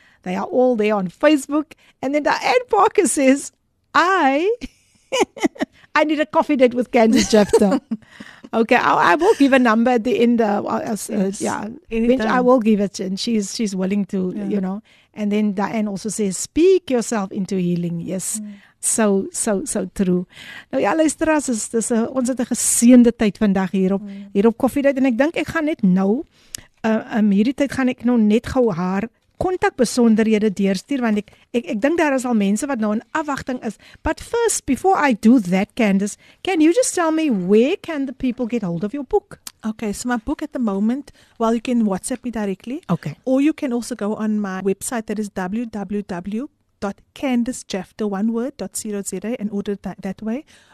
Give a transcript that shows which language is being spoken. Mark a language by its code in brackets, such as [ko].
[en] They are all there on Facebook. And then Diane Parker says, I need a coffee date with Candice Jephthah. Okay, I will give a number at the end. I will give it. And she's willing to, you know. And then Diane also says, speak yourself into healing. Yes, so true. [af] Nou ja, luister, ons het 'n geseënde tyd vandag hierop Koffie Date. En ek dink ek gaan net nou, hierdie tyd gaan ek nou net gou haar kontak besonderhede deurstuur, want ek dink daar is al mense wat nou in afwagting is. [en] But first, before I do that, Candice, can you just tell me, where can the people get hold of your book? Okay, so my book at the moment, well, you can WhatsApp me directly. Okay. Or you can also go on my website, that is www.candicejephthah.co.za, and order that way.